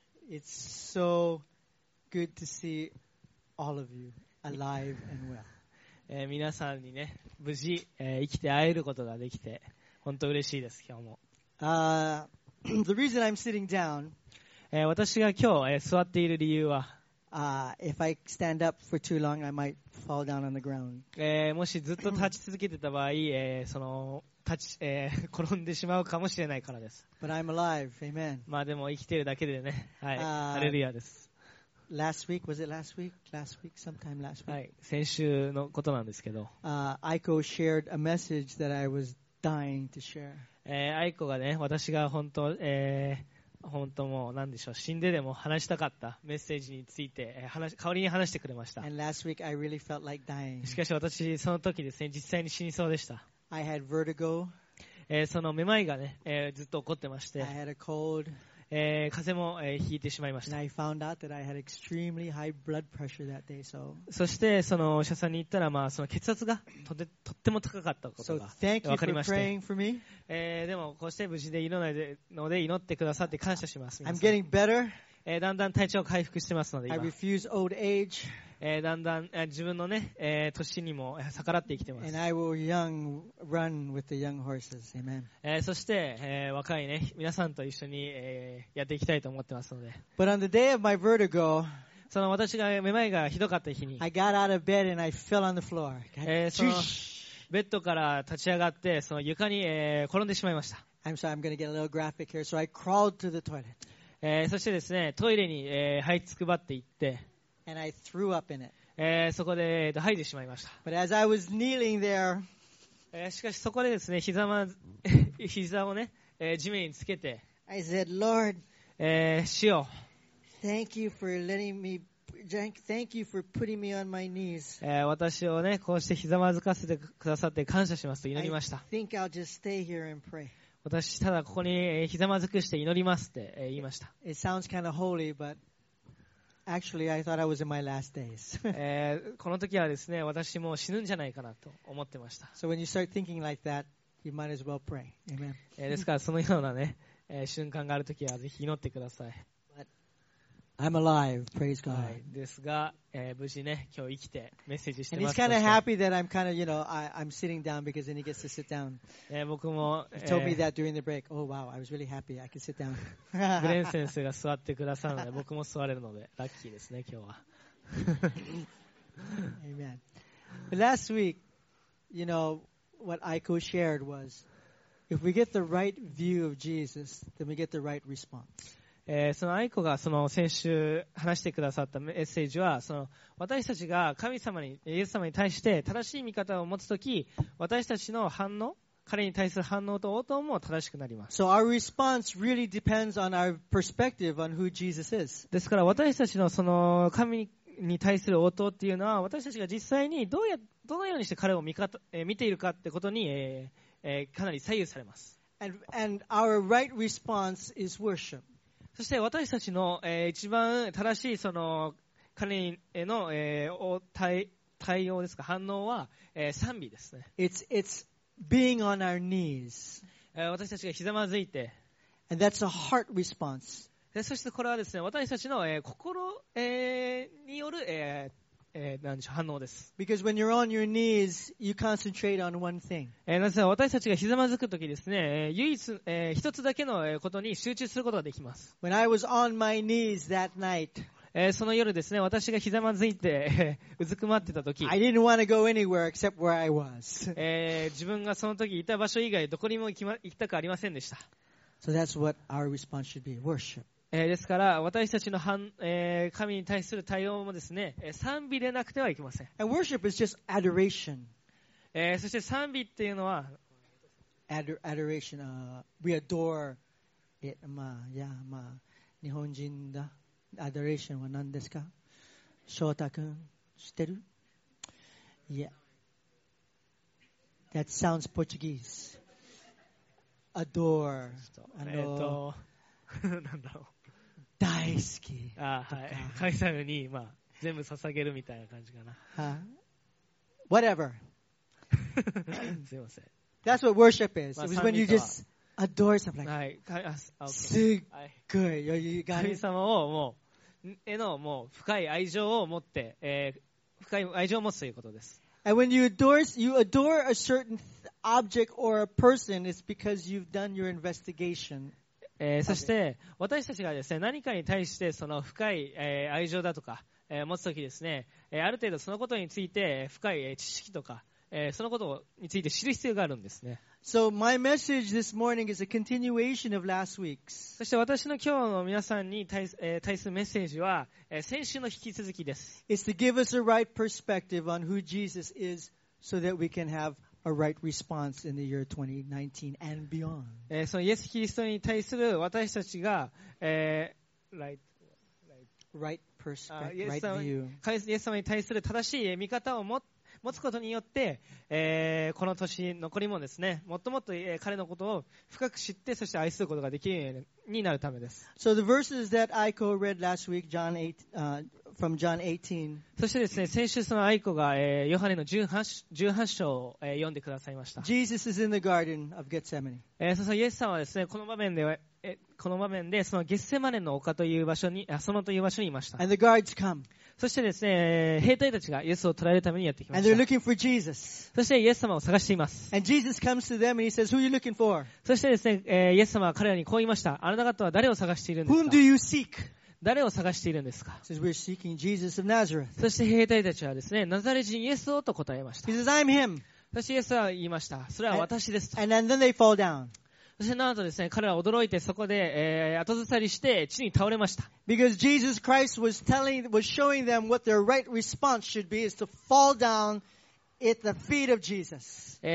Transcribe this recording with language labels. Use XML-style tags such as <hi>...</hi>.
<en>It's so good to see all of you alive and well.</en> <ja>皆さんにね、無事、生きて会えることができて、本当嬉しいです、今日も。</ja> <en>The reason I'm sitting down,</en> <ja>私が今日、座っている理由は、</ja> <en>If I stand up for too long, I might fall down on the ground.</en> <ja>もしずっと立ち続けてた場合、その立ち、転んでしまうかもしれないからです。</ja> <en>But I'm alive. Amen.</en> <ja>まあでも生きているだけでね、はい、ハレルヤです。</ja> <en>Last week, was it last week? Last week, sometime last week.</en> <ja>はい、先週のことなんですけど。</ja> <en>Aiko shared a message that I was dying to share.</en> <ja>Aiko がね、私が本当、本当もう何でしょう、死んででも話したかったメッセージについて、代わりに話してくれました。</ja> <en>And last week, I really felt like dying.</en> <ja>しかし私その時ですね、実際に死にそうでした。</ja> <en>I had vertigo.</en> <ja>そのめまいがね、ずっと起こってまして、</ja> <en>I had a cold.</en> <ja>風邪も、引いてしまいました。</ja> <en>And I found out that I had extremely high blood pressure that day, so.</en> <ja>そしてそのお医者さんに行ったら、まあ、その血圧がとっても高かったことが分かりまして。</ja> <en>So thank you for praying for me.</en> <ja>でもこうして無事でいるので祈ってくださって感謝します。</ja> <en>I'm getting better.</en> <ja>だんだん体調回復してますので今。</ja> <en>I refuse old age.</en> <ja>だんだん自分のね、年にも逆らって生きてます。</ja> <en>And I will young run with the young horses. Amen.</en> <ja>そして、若いね、皆さんと一緒に、やっていきたいと思ってますので。</ja> <en>But on the day of my vertigo,</en> <ja>その私がめまいがひどかった日に、</ja> <en>I got out of bed and I fell on the floor.</en> <ja>そのベッドから立ち上がって、その床に、転んでしまいました。</ja> <en>I'm sorry, I'm going to get a little graphic here. So I crawled to the toilet.</en> <ja>そしてですね、トイレに、這いつくばって行って、</ja> <en>And I threw up in it.</en> <ja>そこで、吐いてしまいました。</ja> <en>But as I was kneeling there,</en> <ja>しかしそこでですね、膝をね、地面につけて、</ja> <en>I said, Lord,</en> <ja>主よ、</ja> <en>Thank you for letting me, thank you for putting me on my knees.</en> <ja>私をね、こうしてひざまずかせてくださって感謝しますと祈りました。</ja> <en>I think I'll just stay here and pray.</en> <ja>私ただここにひざまずくして祈りますって言いました。</ja> <en>It sounds kind of holy, but Actually, I thought I was in my last days.</en> <ja>この時はですね、私も死ぬんじゃないかなと思ってました。</ja> <en>So when you start thinking like that, you might as well pray. Amen.</en> <ja>ですからそのようなね、瞬間がある時はぜひ祈ってください。</ja> <en>But I'm alive. Praise God.</en> <ja>ですが、無事ね、今日生きてメッセージしてます。</ja> <en>And he's kind of happy that I'm kind of, you know, I'm sitting down because then he gets to sit down.</en> <ja>僕も、</ja> <en>He told me that during the break. Oh wow, I was really happy. I could sit down.</en> <ja>グレン先生が座ってくださるので、僕も座れるので、ラッキーですね、今日は。</ja> <en>Amen. But last week, you know, what Aiko shared was, if we get the right view of Jesus, then we get the right response.</en> <ja>そのアイコがその先週話してくださったメッセージは、その私たちが神様に、イエス様に対して正しい見方を持つとき、私たちの反応、彼に対する反応と応答も正しくなります。</ja> <en>So our response really depends on our perspective on who Jesus is.</en> <ja>ですから私たちのその神に対する応答っていうのは、私たちが実際にどのようにして彼を見ているかってことに、かなり左右されます。</ja> <en>And our right response is worship.</en> <ja>そして私たちの、一番正しいその彼への、対応ですか、反応は、賛美ですね。</ja> <en>It's being on our knees.</en> <ja>私たちがひざまずいて。</ja> <en>And that's a heart response.</en> <ja>でそしてこれはですね、私たちの、心、による、何でしょう、反応です。</ja> <en>Because when you're on your knees, you concentrate on one thing.</en> <ja>なぜなら私たちがひざまずくときですね、一つだけのことに集中することができます。</ja> <en>When I was on my knees that night,</en> <ja>その夜ですね、私がひざまずいて、うずくまってたとき、</ja> <en>I didn't want to go anywhere except where I was.</en> <ja>自分がそのときいた場所以外どこにも行きたくありませんでした。</ja> <en>So that's what our response should be, worship.</en> <ja>ですから私たちの神に対する対応もですね、賛美でなくてはいけません。</ja> <en>And worship is just adoration.</en> <ja>そして賛美っていうのは、</ja> <en>adoration, we adore it. まあ、yeah, まあ、</en> <ja>日本人のアドレーションは何ですか？翔太君、知ってる？Yeah.</ja> <en>That sounds Portuguese. Adore.</en> <ja>あの、なんだろう。大好き。あ、はい。カイサルに、まあ、全部捧げるみたいな感じかな。</ja> <en>Whatever.</en> <ja>すいません。</ja> <en>That's what worship is. It was when you just adore something.</en> <ja>はい。あ、OK。すっごい。余裕がある。神様をもう、絵のもう深い愛情を持って、深い愛情を持つということです。</ja> <en>And when you adore a certain object or a person, it's because you've done your investigation.</en> <ja>そして、私たちがですね、何かに対してその深い、愛情だとか、持つときですね、ある程度そのことについて深い、知識とか、そのことについて知る必要があるんですね。</ja> <en>So my message this morning is a continuation of last week's.</en> <ja>そして私の今日の皆さんに対するメッセージは、先週の引き続きです。</ja> <en>It's to give us a right perspective on who Jesus is so that we can have a right response in the year 2019 and beyond.</en> <ja>そのイエス・キリストに対する私たちが、</ja> <en>right perspective, right view.</en> <ja>イエス様に対する正しい見方を持つことによって、この年残りもですね、もっともっと、彼のことを深く知って、そして愛することができるようになるためです。</ja> <en>So the verses that Aiko read last week, John 8, from John 18.</en> <ja>そしてですね、先週その Aiko が、ヨハネの18章を、読んでくださいました。</ja> <en>Jesus is in the Garden of Gethsemane.</en> <ja>そしてイエス様はですね、この場面でそのゲッセマネの丘という場所に、あ、そのという場所にいました。</ja> <en>And the guards come.</en> <ja>そしてですね、兵隊たちがイエスを捕らえるためにやってきました。</ja> <en>And they're looking for Jesus.</en> <ja>そしてイエス様を探しています。</ja> <en>And Jesus comes to them and he says, "Who are you looking for?"</en> <ja>そしてですね、イエス様は彼らにこう言いました。あなた方は誰を探しているんですか</ja> <en>？Whom do you seek?</en> <ja>誰を探しているんですか</ja> <en>？He says, "We're seeking Jesus of Nazareth."</en> <ja>そして兵隊たちはですね、ナザレ人イエスをと答えました。</ja> <en>He says, "I'm him."</en> <ja>そしてイエスは言いました。それは私ですと。</ja> <en>And then they fall down.</en> <ja>そしてなんとですね、彼らは驚いてそこで、後ずさりして地に倒れました。</ja> <en>Because Jesus Christ was showing them what their right response should be is to fall down at the feet of Jesus.</en>